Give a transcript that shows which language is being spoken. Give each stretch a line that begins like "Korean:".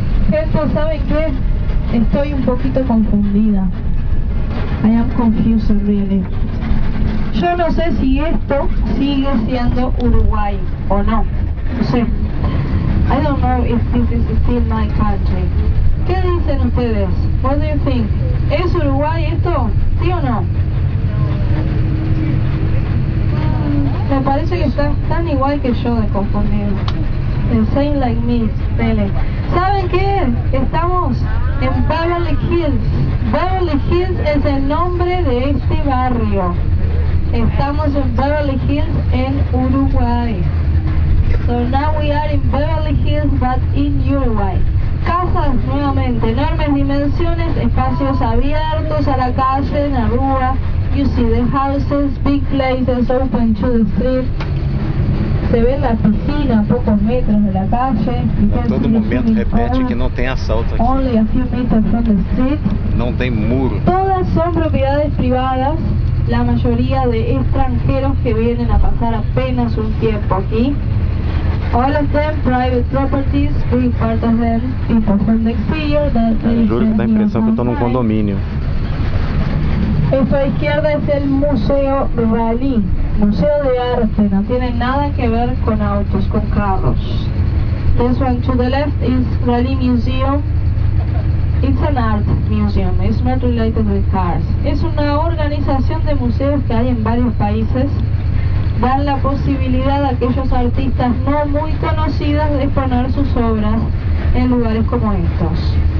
Spanish: Gente, ¿saben qué? Estoy un poquito confundida.
English: I am confused, really.
Spanish: Yo no sé si esto sigue siendo Uruguay o no. No sé.
English: I don't know if this is still my country.
Spanish: ¿Qué dicen ustedes?
English: What do you think?
Spanish: ¿Es Uruguay esto? ¿Sí o no? Me parece que está tan igual que yo de confundido.
English: The same like me, Pele.
Spanish: ¿Saben qué? Estamos en Beverly Hills. Beverly Hills es el nombre de este barrio. Estamos en Beverly Hills en Uruguay.
English: So now we are in Beverly Hills, but in Uruguay.
Spanish: Casas nuevamente, enormes dimensiones, espacios abiertos a la calle, en la rúa.
English: You see the houses, big places open to the street.
Spanish: Se ve la piscina a pocos metros de la calle.
Portuguese: Todo momento repete que no tem asalto aqui.
English: Only a few meters from the street.
Portuguese: Não tem muro.
Spanish: Todas son propiedades privadas, la mayoría de extranjeros que vienen a pasar apenas un tiempo aquí.
English: All of them private properties, big part of them, people from the exterior that they
Portuguese: juro que dá a impressão que eu estou num condomínio.
Spanish: Esto a izquierda es el Museo Dalí, Museo de Arte, no tiene nada que ver con autos, con carros.
English: This one to the left is Dalí Museum. It's an art museum, it's not related with cars.
Spanish: Es una organización de museos que hay en varios países. Dan la posibilidad a aquellos artistas no muy conocidos de exponer sus obras en lugares como estos.